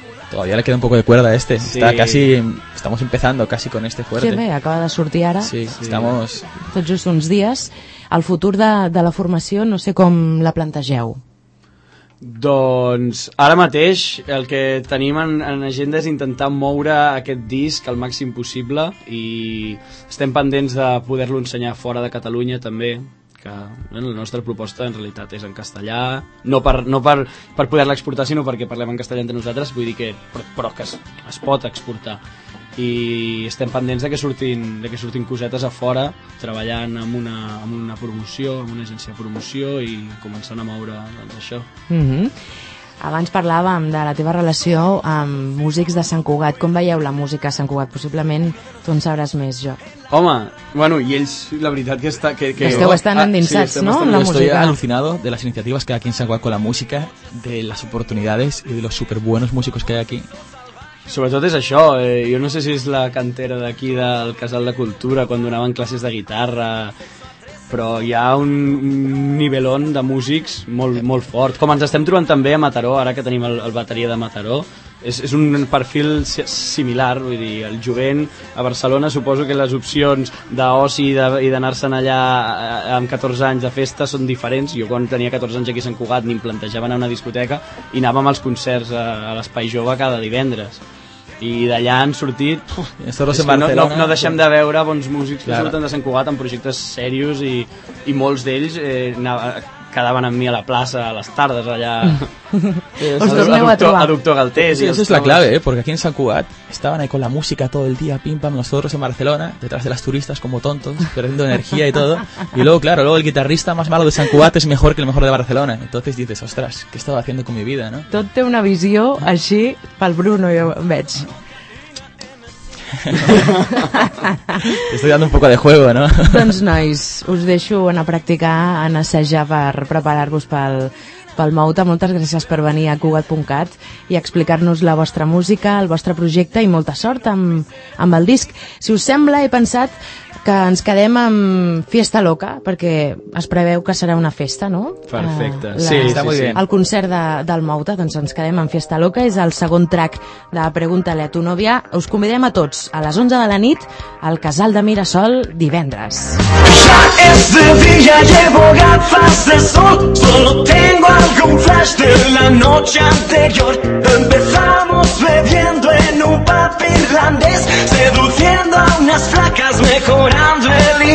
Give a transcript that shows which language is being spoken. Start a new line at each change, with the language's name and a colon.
Spanish: Todavía le queda un poco de cuerda a este. Sí. Estamos empezando casi con este fuerte.
Catalan: Sí, bé, acaba de sortir ara.
Spanish: Sí, estamos...
Catalan: Tot just uns dies. El futur de la formació no sé com la plantegeu. Doncs ara mateix el que tenim en agenda és intentar moure aquest disc al màxim possible i estem pendents de poder-lo ensenyar fora de Catalunya també, que bueno, la nostra proposta en realitat és en castellà, no per poder-la exportar sinó perquè parlem en castellà entre nosaltres, vull dir que però que es pot exportar i estem pendents de que surtin cosetes a fora treballant amb una promoció, amb una agència de promoció i començant a moure doncs, això. Mm-hmm. Abans parlàvem de la teva relació amb músics de Sant Cugat. Com veieu la música a Sant Cugat? Possiblement tu en sabràs més, jo. Home, bueno, i ells, la veritat que està... Que esteu bastant endinsats, sí, no? En la música.
Spanish: Estoy alucinado de las iniciativas que hay aquí en Sant Cugat con la música, de las oportunidades y de los superbuenos músicos que hay aquí.
Catalan: Sobretot és això, jo no sé si és la cantera d'aquí del Casal de Cultura quan donaven classes de guitarra, però hi ha un nivellón de músics molt, molt fort, com ens estem trobant també a Mataró, ara que tenim el bateria de Mataró, És un perfil similar, vull dir, el jovent a Barcelona, suposo que les opcions d'oci i d'anar-se'n allà amb 14 anys de festa són diferents. Jo quan tenia 14 anys aquí a Sant Cugat ni em plantejava anar a una discoteca i anàvem als concerts a l'Espai Jove cada divendres. I d'allà han sortit, no deixem de veure bons músics que surten de Sant Cugat amb projectes serios i molts d'ells quedaven amb mi a la plaça a les tardes allà.
Spanish: Eso es la clave, porque aquí en Sant Cugat estaban ahí con la música todo el día, pim pam, nosotros en Barcelona, detrás de las turistas como tontos, perdiendo energía y todo. Y luego, claro, luego el guitarrista más malo de Sant Cugat es mejor que el mejor de Barcelona. Entonces dices, ostras, ¿qué estaba haciendo con mi vida, no?
Catalan: Tot té una visió així pel Bruno, jo veig.
Spanish: Estoy dando un poco de juego, ¿no?
Catalan: Doncs nois, us deixo anar a practicar, anar a assajar per preparar-vos pel Mouta. Moltes gràcies per venir a Cugat.cat i explicar-nos la vostra música, el vostre projecte, i molta sort amb el disc. Si us sembla, he pensat que ens quedem amb Fiesta Loca, perquè es preveu que serà una festa, no? Perfecte, sí. El concert del Mouta, doncs ens quedem amb Fiesta Loca, és el segon track de Pregúntale a tu novia. Us convidem a tots a les 11 de la nit al Casal de Mirasol divendres.
Spanish: Ya es de día, llevo gafas de sol, solo tengo algún flash de la noche anterior. Empezamos bebiendo en un pub irlandés, seduciendo a unas flacas mejorando el